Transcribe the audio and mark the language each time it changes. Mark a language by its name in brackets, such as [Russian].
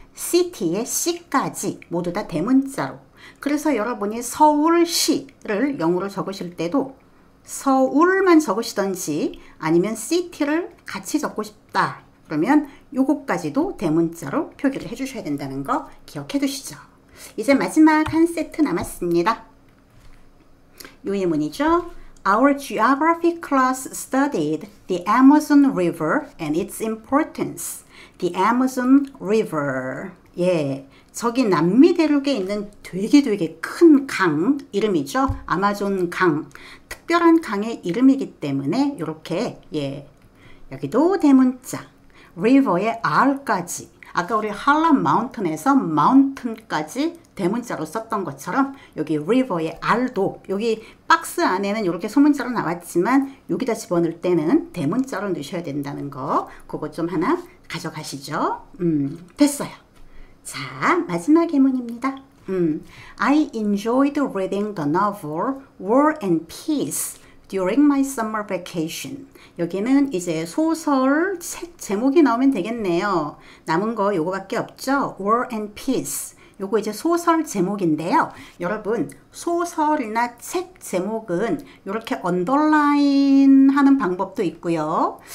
[Korean] city의 c까지 모두 다 대문자로. 그래서 여러분이 서울시를 영어로 적으실 때도 서울만 적으시던지 아니면 city를 같이 적고 싶다. 그러면 요것까지도 대문자로 표기를 해주셔야 된다는 거 기억해 두시죠. 이제 마지막 한 세트 남았습니다. 요 예문이죠. [English] Our geography class studied the Amazon River and its importance. The Amazon River. [Korean] 예, 저기 남미 대륙에 있는 되게 되게 큰 강 이름이죠. 아마존 강. 특별한 강의 이름이기 때문에 이렇게 예, 여기도 대문자. [English] River의 R까지. [Korean] 아까 우리 한라 마운틴에서 마운틴까지 대문자로 썼던 것처럼 여기 river의 R도 여기 박스 안에는 이렇게 소문자로 나왔지만 여기다 집어넣을 때는 대문자로 넣으셔야 된다는 거 그거 좀 하나 가져가시죠. 됐어요. 자, 마지막 예문입니다. [English] I enjoyed reading the novel War and Peace during my summer vacation. [Korean] 여기는 이제 소설 책 제목이 나오면 되겠네요. 남은 거 요거밖에 없죠. [English] War and Peace. [Korean] 요거 이제 소설 제목인데요. 여러분, 소설이나 책 제목은 요렇게 언더라인 하는 방법도 있고요.